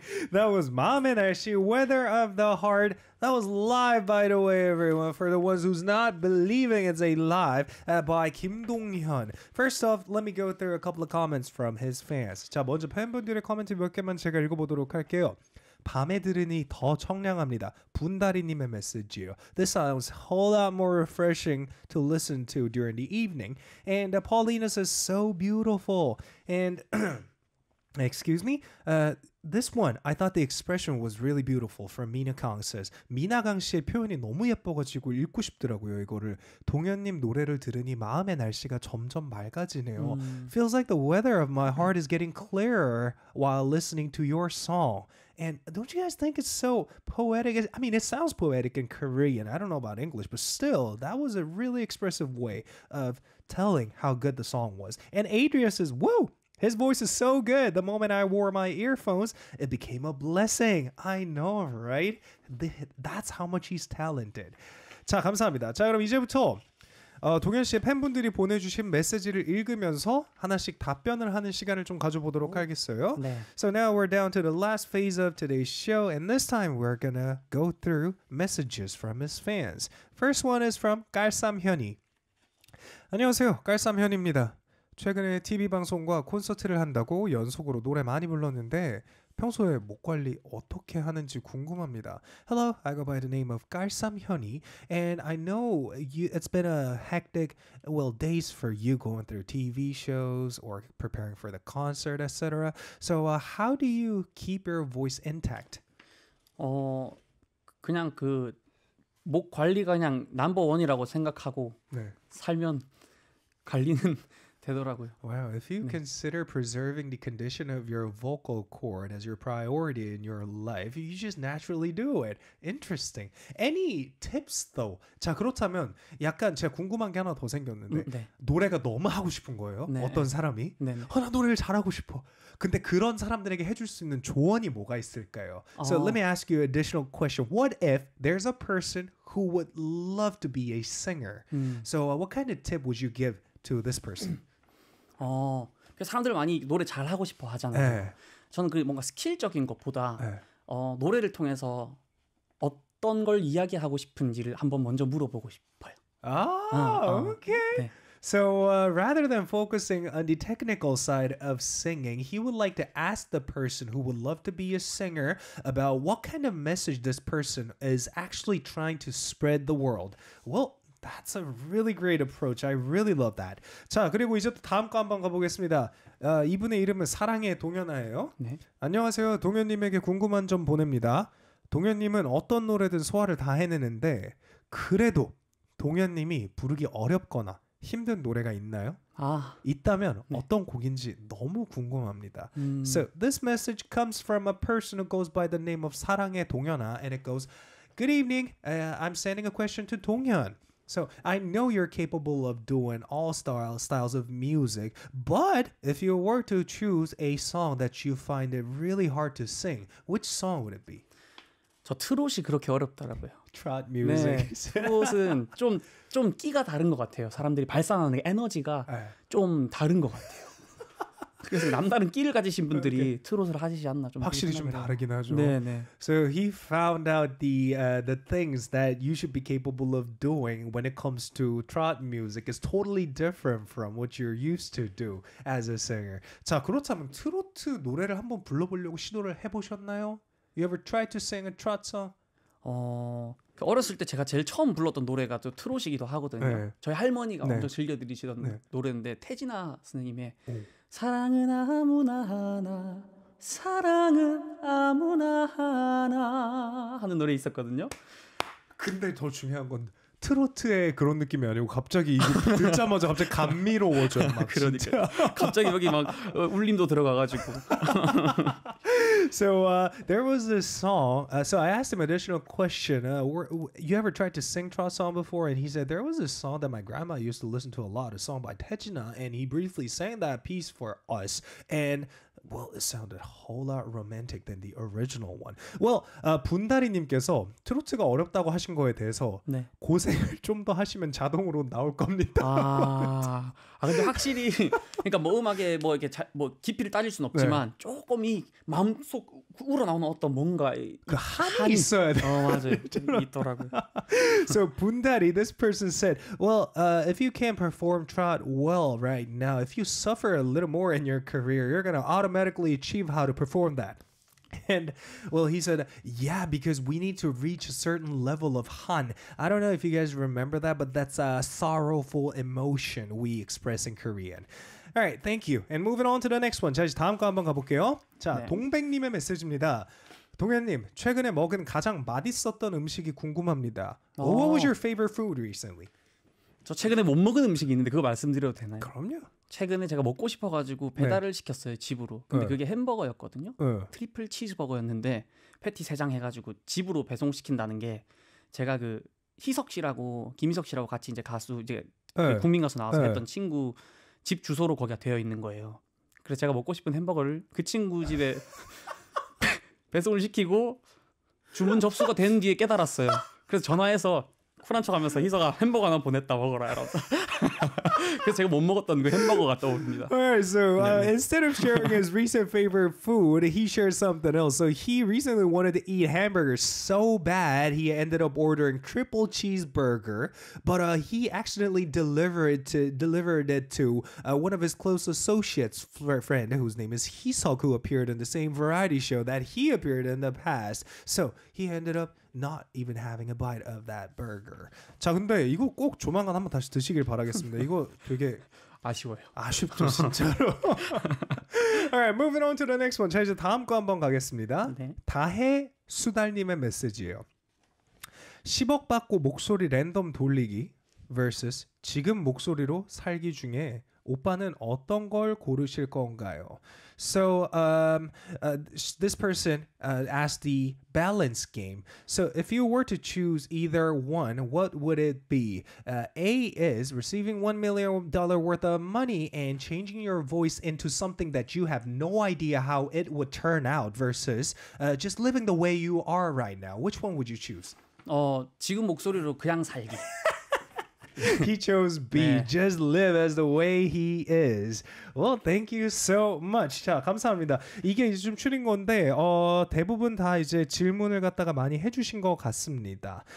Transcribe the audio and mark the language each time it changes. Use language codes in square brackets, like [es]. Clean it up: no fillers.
[en] That was Mom and Ashi, Weather of the Heart. That was live, by the way, everyone. For the ones who's not believing it's a live, by Kim Dong Hyun. First off, let me go through a couple of comments from his fans. [ko] 자, 먼저 팬분들의 코멘트 몇 개만 제가 읽어보도록 할게요. 밤에 들으니 더 청량합니다. 분다리님의 메시지요. [en] This sounds a whole lot more refreshing to listen to during the evening. And Paulina says, so beautiful. And, excuse me? This one, I thought the expression was really beautiful from Mina Kang says. [ko] Mina Kang 씨의 표현이 너무 예뻐가지고 읽고 싶더라고요, 이거를. 동현님 노래를 들으니 마음의 날씨가 점점 맑아지네요. [en] Feels like the weather of my heart is getting clearer while listening to your song. And don't you guys think it's so poetic? I mean, it sounds poetic in Korean. I don't know about English, but still, that was a really expressive way of telling how good the song was. And Adria says, woo! His voice is so good. The moment I wore my earphones, it became a blessing. I know, right? That's how much he's talented. [ko] 자, 감사합니다. 자, 그럼 이제부터 동현 씨의 팬분들이 보내주신 메시지를 읽으면서 하나씩 답변을 하는 시간을 좀 가져보도록 하겠어요. 네. [en] So now we're down to the last phase of today's show, and this time we're gonna go through messages from his fans. First one is from 깔쌈현이. [ko] 안녕하세요, 깔쌈현입니다. 최근에 TV 방송과 콘서트를 한다고 연속으로 노래 많이 불렀는데 평소에 목 관리 어떻게 하는지 궁금합니다. [en] Hello, I go by the name of 깔쌈현이, and I know you, it's been a hectic, well, days for you going through TV shows or preparing for the concert, etc. So, how do you keep your voice intact? [ko] 그냥 그 목 관리가 그냥 [en] number one [ko] 이라고 생각하고 네. 살면 관리는 되더라고요. [en] Wow, if you 네. consider preserving the condition of your vocal cord as your priority in your life, you just naturally do it. Interesting. Any tips though? [ko] 자, 그렇다면 약간 제가 궁금한 게 하나 더 생겼는데 네. 노래가 너무 하고 싶은 거예요? 네. 어떤 사람이? 네. 나 노래를 잘하고 싶어. 근데 그런 사람들에게 해줄 수 있는 조언이 뭐가 있을까요? [en] So let me ask you an additional question. What if there's a person who would love to be a singer? So what kind of tip would you give to this person? [ko] 사람들 많이 노래 잘 하고 싶어 하잖아요. 네. 저는 그 뭔가 스킬적인 것보다 네. 노래를 통해서 어떤 걸 이야기하고 싶은지를 한번 먼저 물어보고 싶어요. 아, 오케이. Okay. 네. [en] So rather than focusing on the technical side of singing, he would like to ask the person who would love to be a singer about what kind of message this person is actually trying to spread the world. Well, That's a really great approach. I really love that. [ko] 자, 그리고 이제 또 다음 거 한번 가보겠습니다. 이분의 이름은 사랑의 동현아예요. 네. 안녕하세요. 동현님에게 궁금한 점 보냅니다. 동현님은 어떤 노래든 소화를 다 해내는데 그래도 동현님이 부르기 어렵거나 힘든 노래가 있나요? 아, 있다면 네. 어떤 곡인지 너무 궁금합니다. [en] So this message comes from a person who goes by the name of 사랑의 동현아, and it goes, Good evening. I'm sending a question to 동현. So, I know you're capable of doing all styles of music, but if you were to choose a song that you find it really hard to sing, which song would it be? [ko] 저 트롯이 그렇게 어렵더라고요. [en] Trot music. [ko] 네, 트롯은 좀 끼가 다른 것 같아요. 사람들이 발산하는 에너지가 좀 다른 것 같아요. 그래서 남다른 끼를 가지신 분들이 okay. 트롯을 하시지 않나 좀 확실히 좀 다르긴 하죠. 네, 네. [en] So he found out the things that you should be capable of doing when it comes to trot music is totally different from what you're used to do as a singer. [ko] 자, 그렇다면 트로트 노래를 한번 불러보려고 시도를 해보셨나요? [en] You ever tried to sing a trot song? [ko] 어렸을 때 제가 제일 처음 불렀던 노래가 또 트롯이기도 하거든요. 네. 저희 할머니가 네. 엄청 즐겨 들으시던 네. 노래인데 태진아 선생님의 사랑은 아무나 하나 사랑은 아무나 하나 하는 노래 있었거든요. 근데 더 중요한 건 트로트의 그런 느낌이 아니고 갑자기 이게 듣자마자 갑자기 감미로워져. 그러니까 갑자기 여기 막 울림도 들어가가지고. [en] So there was this song. So I asked him an additional question. You ever tried to sing trot song before? And he said there was a song that my grandma used to listen to a lot, a song by Tejina, and he briefly sang that piece for us. And well, it sounded a whole lot romantic than the original one. [ko] Well, 분다리님께서 트로트가 어렵다고 하신 거에 대해서 네. 고생을 좀 더 하시면 자동으로 나올 겁니다. 아, 근데 확실히 그러니까 뭐 음악에 뭐 이렇게 자, 뭐 깊이를 따질 순 없지만 네. 조금 이 마음속 우러나오는 어떤 뭔가 그 한이 있어야 돼. 맞아요. 있더라고요. [en] So, 분다리, this person said, well, if you can't perform trot well right now, if you suffer a little more in your career, you're going to automatically achieve how to perform that. And well, he said, yeah, because we need to reach a certain level of han. I don't know if you guys remember that, but that's a sorrowful emotion we express in Korean. All right, thank you. And moving on to the next one. [ko] 자, 이제 다음 거 한번 가볼게요. 자, 네. 동백님의 메시지입니다. 동현님, 최근에 먹은 가장 맛있었던 음식이 궁금합니다. [en] What was your favorite food recently? [ko] 저 최근에 못 먹은 음식이 있는데 그거 말씀드려도 되나요? 그럼요. 최근에 제가 먹고 싶어가지고 배달을 네. 시켰어요, 집으로. 근데 네. 그게 햄버거였거든요. 네. 트리플 치즈버거였는데 패티 3장 해가지고 집으로 배송시킨다는 게 제가 그 희석 씨라고, 김희석 씨라고 같이 이제 가수, 이제 네. 국민가수 나와서 네. 했던 친구 집 주소로 거기가 되어 있는 거예요. 그래서 제가 먹고 싶은 햄버거를 그 친구 집에 배송을 시키고 주문 접수가 된 뒤에 깨달았어요. 그래서 전화해서 쿨한 척 하면서 희서가 햄버거 하나 보냈다 먹어라 이러면서. 그래서 제가 못 먹었던 그 햄버거 갔다 옵니다. [en] Alright, so instead of sharing his recent favorite food, he shared something else. So he recently wanted to eat hamburgers so bad, he ended up ordering triple cheeseburger, but he accidentally delivered it to one of his close associates, friend, whose name is Hee-seok, who appeared in the same variety show that he appeared in the past. So he ended up not even having a bite of that burger. [ko] 자, 근데 이거 꼭 조만간 한번 다시 드시길 바라겠습니다. 이거 되게 아쉬워요. 아쉽죠, 진짜로. [en] Alright, moving on to the next one. [ko] 자, 이제 다음 거 한번 가겠습니다. 네. 다해 수달님의 메시지예요. 10억 받고 목소리 랜덤 돌리기 versus 지금 목소리로 살기 중에 오빠는 어떤 걸 고르실 건가요? [en] So this person asked the balance game. So if you were to choose either one, what would it be? A is receiving $1 million worth of money and changing your voice into something that you have no idea how it would turn out versus just living the way you are right now. Which one would you choose? [ko] 지금 목소리로 그냥 살기. [en] He chose B. 네. Just live as the way he is. Well, thank you so much. [ko] 자, 감사합니다. 이게 이제 좀 추린 건데 대부분 다 이제 질문을 갖다가 많이 해주신 것 같습니다.